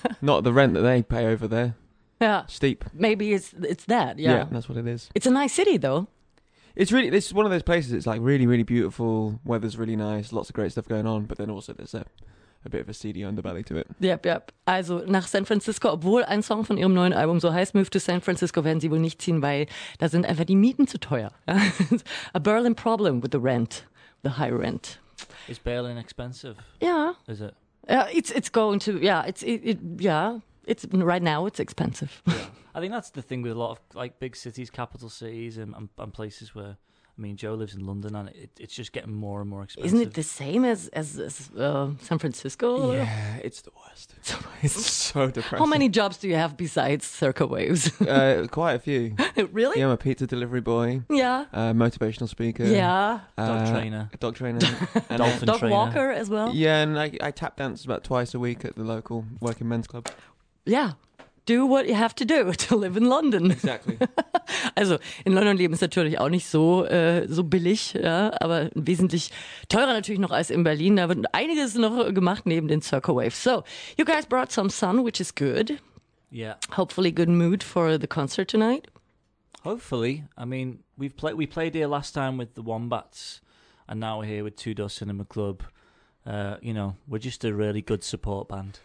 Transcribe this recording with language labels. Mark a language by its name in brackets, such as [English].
[English] Not the rent that they pay over there. Yeah. Steep. Maybe it's that, yeah. Yeah, that's what it is. It's a nice city, though. It's really, this is one of those places, it's like really, really beautiful, weather's really nice, lots of great stuff going on, but then also there's a bit of a seedy underbelly to it. Yep, yep. [German] Also nach San Francisco, obwohl ein Song von ihrem neuen Album so heißt, Move to San Francisco, werden sie wohl nicht ziehen, weil da sind einfach die Mieten zu teuer. [English] A Berlin problem with the rent, the high rent. Is Berlin expensive? Yeah. Is it? Yeah, it's going to, yeah, it's right now it's expensive. Yeah. I think that's the thing with a lot of like big cities, capital cities, and places where, I mean, Joe lives in London, and it's just getting more and more expensive. Isn't it the same as San Francisco? Yeah, it's the worst. It's so depressing. How many jobs do you have besides Circle Waves? Quite a few. Really? Yeah, I'm a pizza delivery boy. Yeah. Motivational speaker. Yeah. Dog trainer. Dog walker as well. Yeah, and I tap dance about twice a week at the local working men's club. Yeah. Do what you have to do to live in London. Exactly. [German] Also, in London leben ist natürlich auch nicht so billig, ja, aber wesentlich teurer natürlich noch als in Berlin. Da wird einiges noch gemacht neben den Circle Waves. [English] So, you guys brought some sun, which is good. Yeah. Hopefully good mood for the concert tonight. Hopefully. I mean, we played here last time with the Wombats, and now we're here with Two Door Cinema Club. You know, we're just a really good support band.